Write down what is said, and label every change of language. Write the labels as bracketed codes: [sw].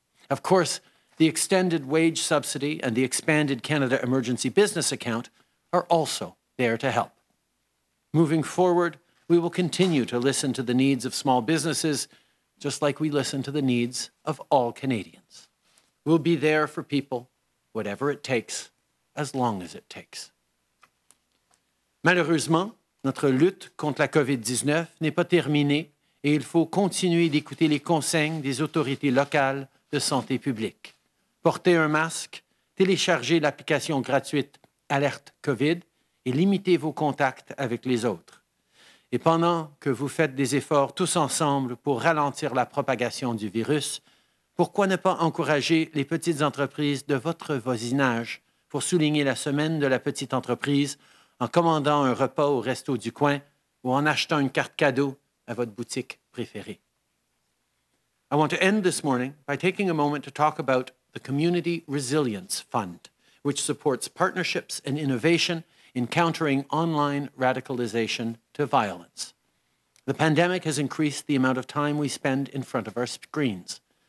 [en] Of course, the extended wage subsidy and the expanded Canada Emergency Business Account are also there to help. Moving forward, we will continue to listen to the needs of small businesses, just like we listen to the needs of all Canadians. We'll be there for people, whatever it takes, as long as it takes. [fr] Malheureusement, notre lutte contre la COVID-19 n'est pas terminée et il faut continuer d'écouter les consignes des autorités locales de santé publique. Portez un masque, téléchargez l'application gratuite Alerte COVID et limitez vos contacts avec les autres. Et pendant que vous faites des efforts tous ensemble pour ralentir la propagation du virus, pourquoi ne pas encourager les petites entreprises de votre voisinage pour souligner la semaine de la petite entreprise en commandant un repas au Resto du coin ou en achetant une carte cadeau à votre boutique préférée. [en] I want to end this morning by taking a moment to talk about the Community Resilience Fund, which supports partnerships and innovation in countering online radicalization to violence. The pandemic has increased the amount of time we spend in front of our screens.